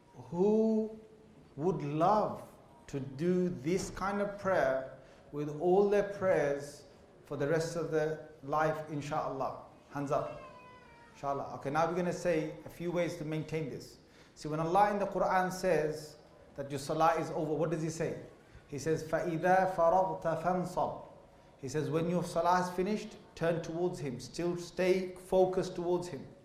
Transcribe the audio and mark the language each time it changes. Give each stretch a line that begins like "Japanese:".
English: Who would love to do this kind of prayer with all their prayers for the rest of the life, inshallah. Hands up. Inshallah. Okay, now we're going to say a few ways to maintain this. See, when Allah in the Quran says that your salah is over, what does He say? He says,
Arabic: فَإِذَا فَرَغْتَ فَانْصَبْ.
English: He says, when your salah is finished, turn towards Him. Still stay focused towards Him.